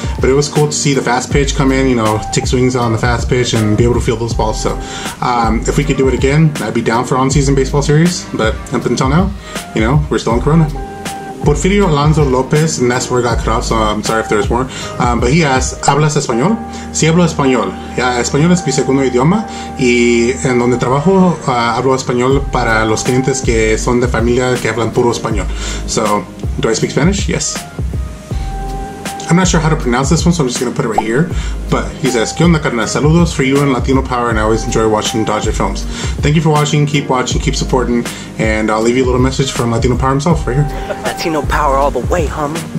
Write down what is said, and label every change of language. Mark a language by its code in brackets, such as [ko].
[en] But it was cool to see the fast pitch come in, you know, take swings on the fast pitch and be able to feel those balls. So if we could do it again, I'd be down for on-season baseball series. But up until now, you know, we're still in Corona. Porfirio Alonso Lopez, and that's where it got cut off, so I'm sorry if there's more. But he asks, [es] ¿hablas español? Sí, hablo español. Español es mi segundo idioma, y en donde trabajo, hablo español para los clientes que son de familia que hablan puro español. [en] So, do I speak Spanish? Yes. I'm not sure how to pronounce this one, so I'm just going to put it right here. But he says, [es] ¿Qué onda, carnal? [en] Saludos for you and Latino Power, and I always enjoy watching Dodger films. Thank you for watching, keep supporting, and I'll leave you a little message from Latino Power himself right here. Latino Power all the way, homie.